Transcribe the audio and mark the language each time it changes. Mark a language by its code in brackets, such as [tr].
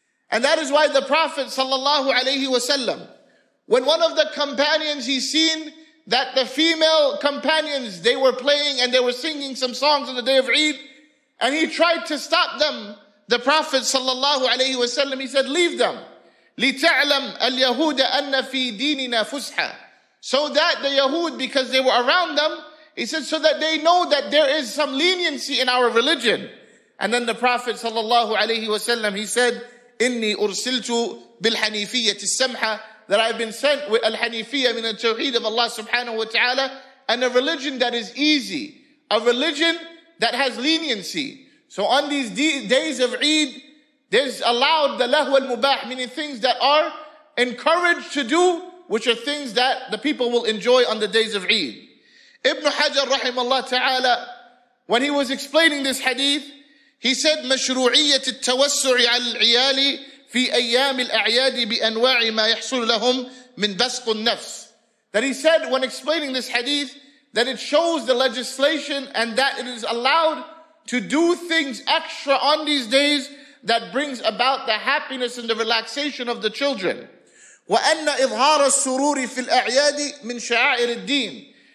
[en] And that is why the Prophet sallallahu alayhi wa sallam, when one of the companions he's seen that the female companions, they were playing and they were singing some songs on the day of Eid, and he tried to stop them, the Prophet sallallahu alayhi wa sallam, he said, leave them. [ar] لتعلم اليهود أن في ديننا فسحة. [en] So that the Yahud, because they were around them, he said, so that they know that there is some leniency in our religion. And then the Prophet sallallahu alayhi wa sallam, he said, [ar] إني أرسلت بالحنيفية السمحة, [en] that I've been sent with al-hanifiyya min al-tawheed of Allah subhanahu wa ta'ala, and a religion that is easy, a religion that has leniency. So on these days of Eid, there's allowed the lahw al-mubah, meaning things that are encouraged to do, which are things that the people will enjoy on the days of Eid. Ibn Hajar rahimahullah ta'ala, when he was explaining this hadith, he said, [ar] مَشْرُوعِيَّةِ التَّوَسُّعِ عَلَى الْعِيَالِ فِي أَيَّامِ الْأَعْيَادِ بِأَنْوَاعِ مَا يَحْصُلُ لَهُمْ مِنْ بَسْقُ النَّفْسِ. [en] That he said, when explaining this hadith, that it shows the legislation and that it is allowed to do things extra on these days that brings about the happiness and the relaxation of the children. [ar] وَأَنَّ إِظْهَارَ السُّرُورِ فِي الْأَعْيَادِ مِنْ شَعَائِرِ الدِّينِ.